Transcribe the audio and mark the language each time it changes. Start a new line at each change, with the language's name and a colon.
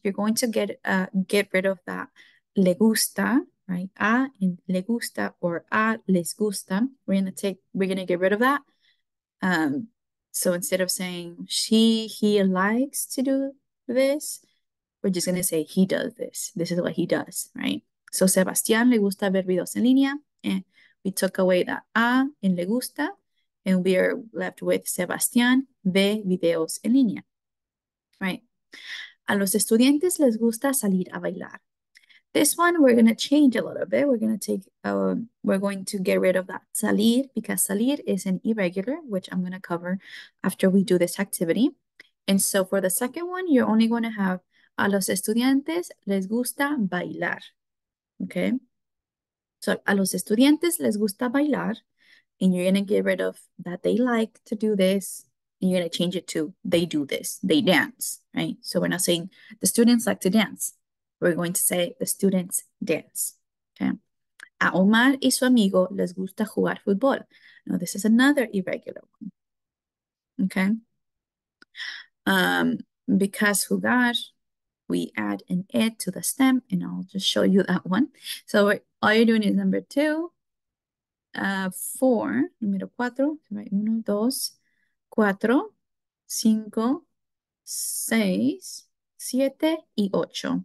English: You're going to get rid of that le gusta. Right, a in le gusta or a les gusta. We're gonna get rid of that. So instead of saying he likes to do this, we're just gonna say he does this. This is what he does, right?
Spanish: So Sebastián le gusta ver videos en línea.
English: And we took away that a in le gusta, and we are left with
Spanish: Sebastián ve videos en línea.
English: Right.
Spanish: A los estudiantes les gusta salir a bailar.
English: This one, we're going to change a little bit. We're going to get rid of that salir, because salir is an irregular, which I'm going to cover after we do this activity. And so for the second one, you're only going to have
Spanish: a los estudiantes les gusta bailar.
English: Okay. So
Spanish: a los estudiantes les gusta bailar.
English: And you're going to get rid of that they like to do this. And you're going to change it to they do this. They dance, right? So we're not saying the students like to dance. We're going to say the students dance, okay?
Spanish: A Omar y su amigo les gusta jugar fútbol.
English: Now, this is another irregular one, okay? Because jugar, we add an ed to the stem, and I'll just show you that one. So all you're doing is number 2, 4, número 4, right? 1, 2, 4, 5, 6, 7, y 8.